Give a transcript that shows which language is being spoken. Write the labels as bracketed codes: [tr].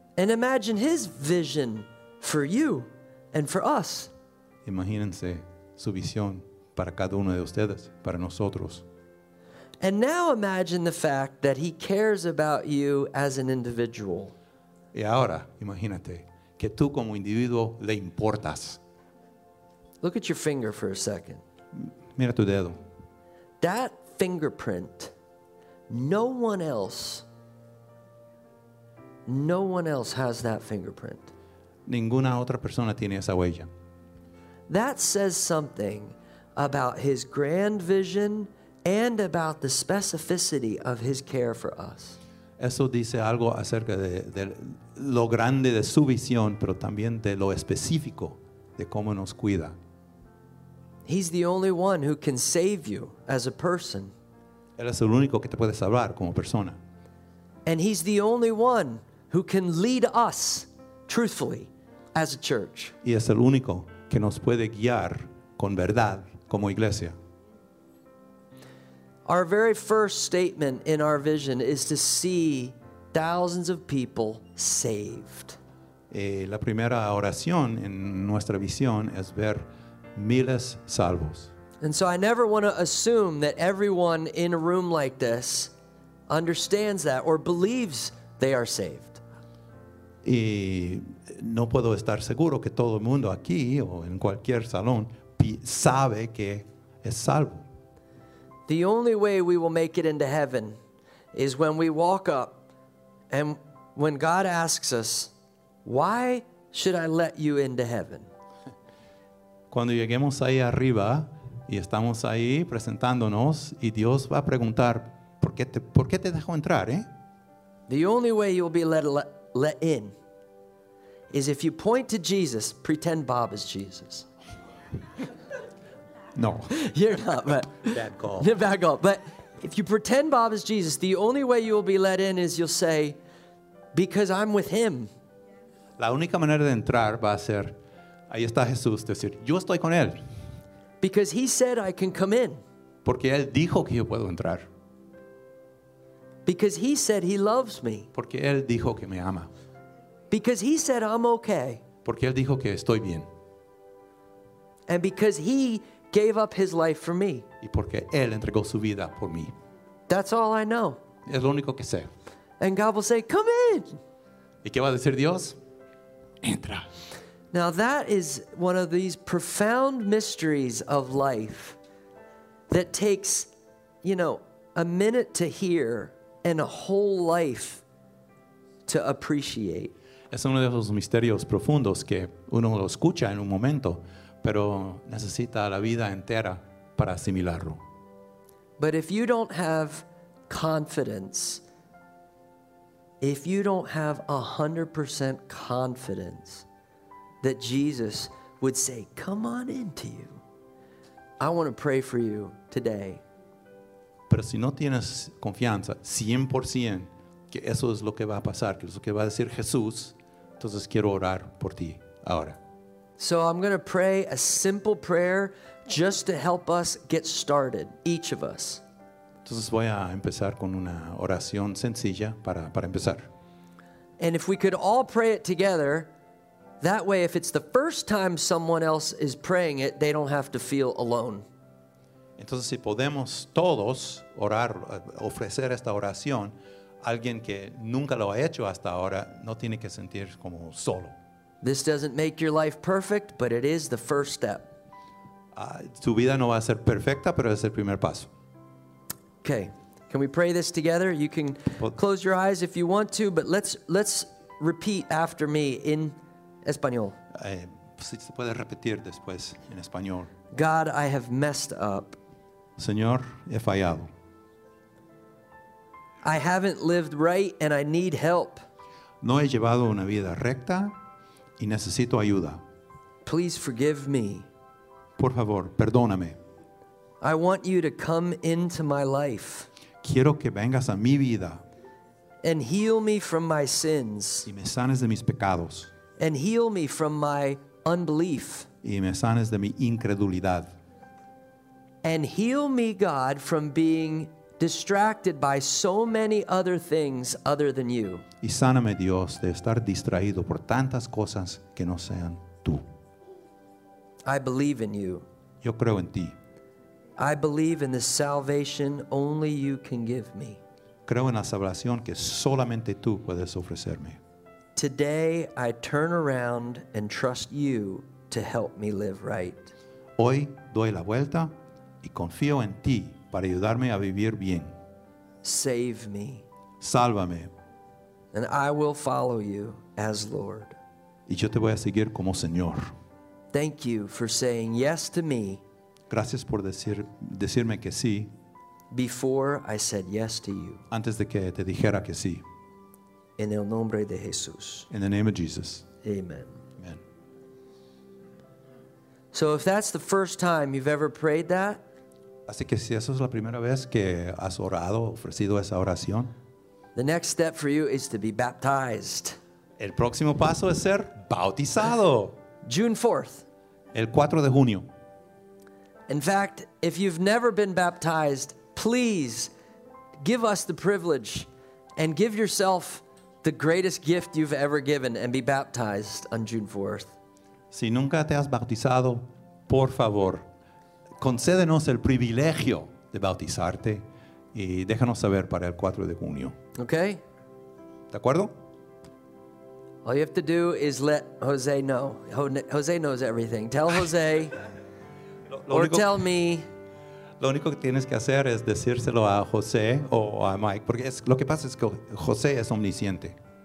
[en] And imagine his vision for you and for us. [es] Imagínense su visión para cada uno de ustedes, para nosotros. [en] And now imagine the fact that he cares about you as an individual. [es] Y ahora, imagínate que tú como individuo le importas. [en] Look at your finger for a second. [es] Mira tu dedo. [en] That fingerprint, no one else has that fingerprint. [es] Ninguna otra persona tiene esa huella. [en] That says something about his grand vision and about the specificity of his care for us. [es] Eso dice algo acerca de lo grande de su visión, pero también de lo específico de cómo nos cuida. [en] He's the only one who can save you as a person. [es] Él es el único que te puede salvar como persona. [en] And he's the only one who can lead us truthfully as a church. [es] Y es el único que nos puede guiar con verdad como iglesia. [en] Our very first statement in our vision is to see thousands of people saved. [es] La primera oración en nuestra visión es ver miles salvos. [en] And so I never want to assume that everyone in a room like this understands that or believes they are saved. [es] Y no puedo estar seguro que todo el mundo aquí o en cualquier salón sabe que es salvo. [en] The only way we will make it into heaven is when we walk up and when God asks us, why should I let you into heaven? [es] Cuando lleguemos ahí arriba y estamos ahí presentándonos y Dios va a preguntar, ¿por qué te dejo entrar, [en] The only way you'll be let in is if you point to Jesus, pretend Bob is Jesus. No. You're not, but... Bad call. But if you pretend Bob is Jesus, the only way you will be let in is you'll say, because I'm with him. [es] La única manera de entrar va a ser, ahí está Jesús, decir, yo estoy con él. [en] Because he said I can come in. [es] Porque él dijo que yo puedo entrar. [en] Because he said he loves me. [es] Porque él dijo que me ama. [en] Because he said I'm okay. [es] Porque él dijo que estoy bien. [en] And because he gave up his life for me. [es] Y porque él entregó su vida por mí. [en] That's all I know. [es] Es lo único que sé. [en] And God will say, come in. [es] ¿Y qué va a decir Dios? Entra. [en] Now that is one of these profound mysteries of life that takes, you know, a minute to hear and a whole life to appreciate. [es] Es uno de esos misterios profundos que uno lo escucha en un momento, pero necesita la vida entera para asimilarlo. [en] But if you don't have confidence, if you don't have 100% confidence that Jesus would say, come on into you, I want to pray for you today. [es] Pero si no tienes confianza 100% que eso es lo que va a pasar, que es lo que va a decir Jesús, entonces quiero orar por ti ahora. [en] So I'm going to pray a simple prayer just to help us get started, each of us. [es] Entonces voy a empezar con una oración sencilla para empezar. [en] And if we could all pray it together, that way if it's the first time someone else is praying it, they don't have to feel alone. [es] Entonces, si podemos todos orar, ofrecer esta oración, alguien que nunca lo ha hecho hasta ahora no tiene que sentir como solo. [en] This doesn't make your life perfect, but it is the first step. [es] Tu vida no va a ser perfecta, pero es el primer paso. [en] Okay, can we pray this together? You can close your eyes if you want to, but let's repeat after me in español. [es] Si se puede repetir después en español. [en] God, I have messed up. [es] Señor, he fallado. [en] I haven't lived right and I need help. [es] No he llevado una vida recta y necesito ayuda. [en] Please forgive me. [es] Por favor, perdóname. [en] I want you to come into my life. [es] Quiero que vengas a mi vida. [en] And heal me from my sins. [es] Y me sanes de mis pecados. [en] And heal me from my unbelief. [es] Y me sanes de mi incredulidad. [en] And heal me, God, from being distracted by so many other things other than you. [es] Y sáname, Dios, de estar distraído por tantas cosas que no sean tú. [en] I believe in you. [es] Yo creo en ti. [en] I believe in the salvation only you can give me. [es] Creo en la salvación que solamente tú puedes ofrecerme. [en] Today I turn around and trust you to help me live right. [es] Hoy doy la vuelta y confío en ti para ayudarme a vivir bien. [en] Save me. [es] Sálvame. [en] And I will follow you as Lord. [es] Y yo te voy a seguir como Señor. [en] Thank you for saying yes to me. [es] Gracias por decirme que sí. [en] Before I said yes to you. [es] Antes de que te dijera que sí. En el nombre de Jesús. [en] In the name of Jesus. Amen. [es] Amen. [en] So if that's the first time you've ever prayed that. [es] Así que si esa es la primera vez que has orado, ofrecido esa oración. [en] The next step for you is to be baptized. [es] El próximo paso es ser bautizado. [en] June 4th. [es] El 4 de junio. [en] In fact, if you've never been baptized, please give us the privilege and give yourself the greatest gift you've ever given and be baptized on June 4th. [es] Si nunca te has bautizado, por favor, concédenos el privilegio de bautizarte y déjanos saber para el 4 de junio. [en] Okay? [es] ¿De acuerdo? [en] All you have to do is let Jose know. Jose knows everything. Tell Jose or tell me. [es] Lo único que tienes que hacer es decírselo a José o a Mike, porque es, lo que pasa es que José es omnisciente.